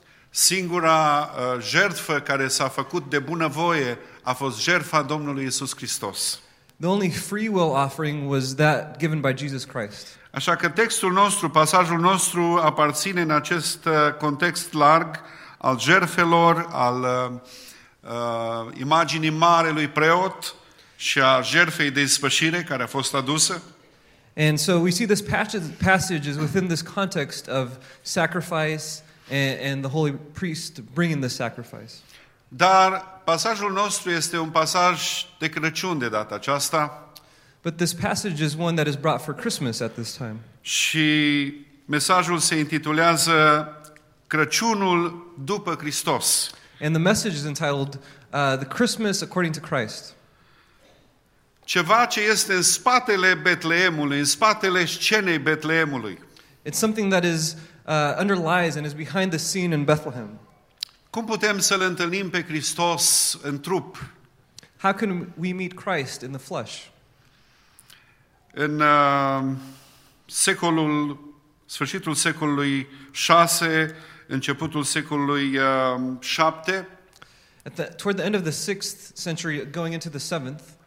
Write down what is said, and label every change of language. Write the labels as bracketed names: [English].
[Romanian] Singura jertfă care s-a făcut de bună voie a fost jertfa Domnului Iisus Hristos. [English] The only free will offering was that given by Jesus Christ. [Romanian] Așa că textul nostru, pasajul nostru, aparține în acest context larg al jertfelor, al imaginii marelui preot și a jertfei de ispășire care a fost adusă. [English] And so we see this passage is within this context of sacrifice and the holy priest bringing the sacrifice. [Romanian] Dar pasajul nostru este un pasaj de Crăciun de data aceasta. [English] But this passage is one that is brought for Christmas at this time. [Romanian] Și mesajul se intitulează Crăciunul după Hristos. [English] And the message is entitled The Christmas According to Christ. [Romanian] Ceva ce este în spatele Betleemului, în spatele scenei Betleemului. [English] It's something that is underlies and is behind the scene in Bethlehem. [Romanian] Cum putem să-l întâlnim pe Hristos în trup? [English] How can we meet Christ in the flesh? [Romanian] În secolul, sfârșitul secolului 6, începutul secolului 7, [English] toward the end of the 6th century going into the 7th,